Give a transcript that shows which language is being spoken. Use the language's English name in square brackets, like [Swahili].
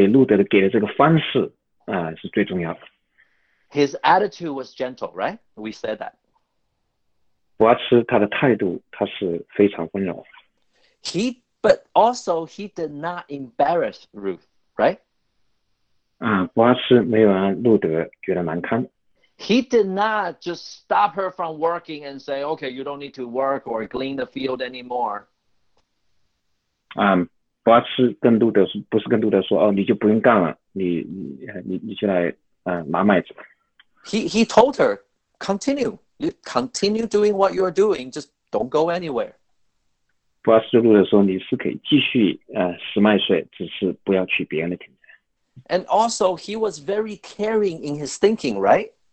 [Chinese] 博阿斯给路德的给的这个方式是最重要的。 [English] His attitude was gentle, right? We said that. [Chinese] 博阿斯他的态度，他是非常温柔。 [English] But also he did not embarrass Ruth, right? [Chinese] 博阿斯没有让路德觉得难堪。 [English] He did not just stop her from working and say, okay, you don't need to work or glean the field anymore. [Chinese] 博阿斯跟路德不是跟路德说，你就不用干了，你就来拿麦子吧。 [English] He told her, continue. You continue doing what you're doing, just don't go anywhere. [Chinese] 博阿斯路德说，你是可以继续拾麦穗，只是不要去别人的田间。 [English] And also, he was very caring in his thinking, right?